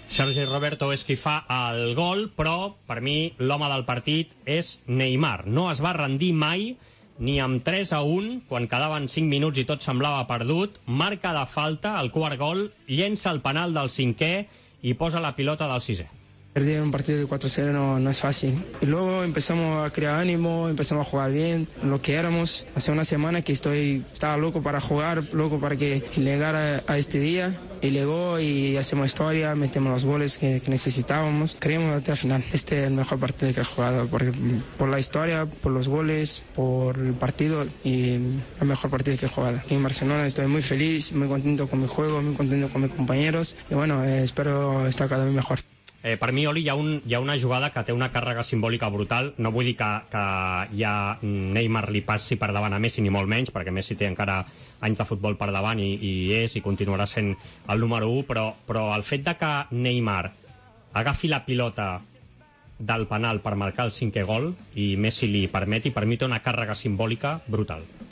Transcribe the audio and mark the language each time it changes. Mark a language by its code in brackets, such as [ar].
[ca] Sergi Roberto és qui fa el gol, però per mi l'home del partit és Neymar. No es va rendir mai, ni amb 3-1, quan quedaven 5 minuts i tot semblava perdut, marca de falta el quart gol, llença el penal del cinquè i posa la pilota del sisè. [es] Perder un partido de 4-0 no es fácil. Y luego empezamos a crear ánimo, empezamos a jugar bien, lo que éramos. Hace una semana que estaba loco para jugar, loco para que llegara a este día. Y llegó y hacemos historia, metemos los goles que necesitábamos. Creemos hasta el final. Este es el mejor partido que he jugado por la historia, por los goles, por el partido y el mejor partido que he jugado. Aquí en Barcelona estoy muy feliz, muy contento con mi juego, muy contento con mis compañeros. Y bueno, espero estar cada vez mejor. [ca] Per mi, Oli, hi ha una jugada que té una càrrega simbòlica brutal. No vull dir que ja Neymar li passi per davant a Messi, ni molt menys, perquè Messi té encara anys de futbol per davant i continuarà sent el número 1, però el fet de que Neymar agafi la pilota del penal per marcar el cinquè gol i Messi li permeti, per mi té una càrrega simbòlica brutal.